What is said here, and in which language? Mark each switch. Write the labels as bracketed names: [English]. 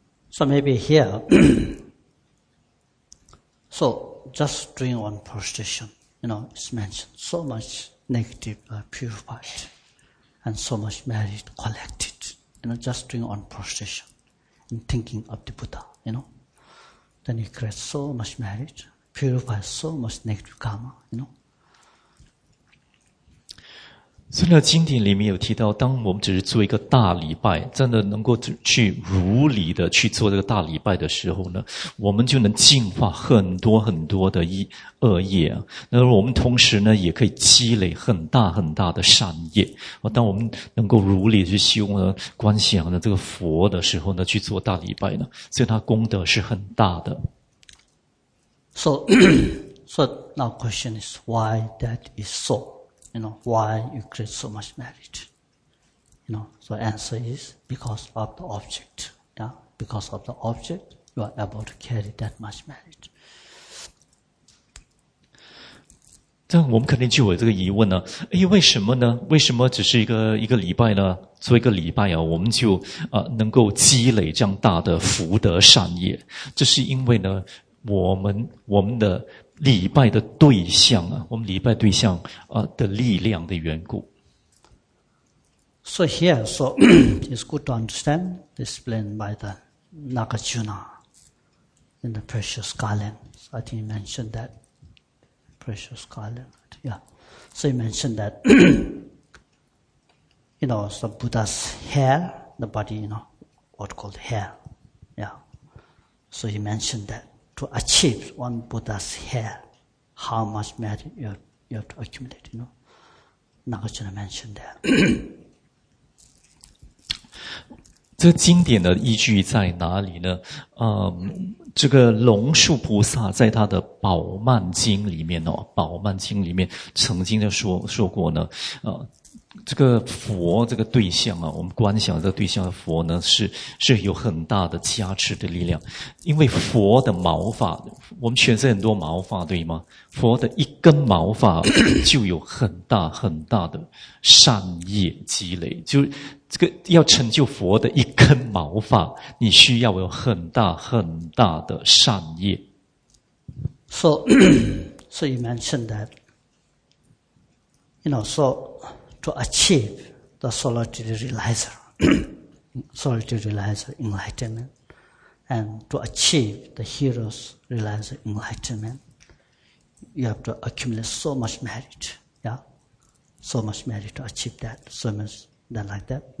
[English] So maybe here, so just doing one prostration, you know, it's mentioned so much negative purified and so much merit collected, you know, just doing one prostration and thinking of the Buddha, you know, then you create so much merit, purify so much negative karma, you know. [Chinese] 所以呢，经典里面有提到，当我们只是做一个大礼拜，真的能够去如理的去做这个大礼拜的时候呢，我们就能净化很多很多的恶业。那我们同时呢，也可以积累很大很大的善业。当我们能够如理去修呢，观想呢这个佛的时候呢，去做大礼拜呢，所以它功德是很大的。 [English] So now question is why that is so. You know, why you create so much merit? You know, so answer is because of the object. Yeah, because of the object, you are able to carry that much merit. [Chinese] 这样我们肯定就有这个疑问了。诶，为什么呢？为什么只是一个礼拜呢？做一个礼拜啊，我们就能够积累这样大的福德善业。这是因为呢，我们的礼拜的对象啊，我们礼拜对象的力量的缘故。 [English] So here, so it's good to understand, explained by the Nagarjuna in the precious garland. So I think he mentioned that precious garland. Yeah. So he mentioned that, you know, the Buddha's hair, the body, you know, what called hair. Yeah. So he mentioned that.To achieve one Buddha's hair, how much merit you have to accumulate, you know. Nagarjuna mentioned that. [Chinese] 这经典的依据在哪里呢？这个龙树菩萨在他的宝曼经里面哦，宝曼经里面曾经的说过呢，这个佛这个对象啊，我们观想这个对象的佛呢，是有很大的加持的力量，因为佛的毛发，我们全身很多毛发对吗？佛的一根毛发就有很大很大的善业积累，就这个要成就佛的一根毛发，你需要有很大很大的善业。 [English] So you mentioned that, you know, so to achieve the solitary realizer, solitary realizer enlightenment, and to achieve the hero's realizer enlightenment, you have to accumulate so much merit, yeah, so much merit to achieve that, so much. Then like that.